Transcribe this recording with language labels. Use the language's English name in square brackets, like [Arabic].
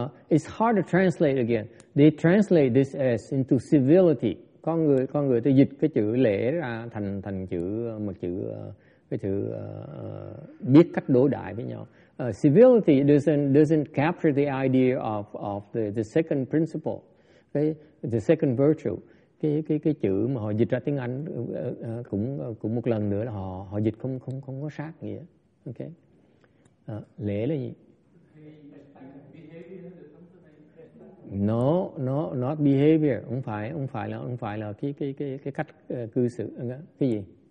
[English] It's hard to translate again. They translate this as into civility. [Vietnamese] Con người ta dịch cái chữ lễ ra thành chữ một chữ cái chữ biết cách đối đãi với nhau. [English] Civility doesn't capture the idea of the second principle, okay? The second virtue. [Vietnamese] Cái chữ mà họ dịch ra tiếng Anh cũng một lần nữa là họ dịch không có sát nghĩa. Okay. Lễ là gì? [English] No, not behavior. [Vietnamese] Không phải là cái cách cư xử cái gì?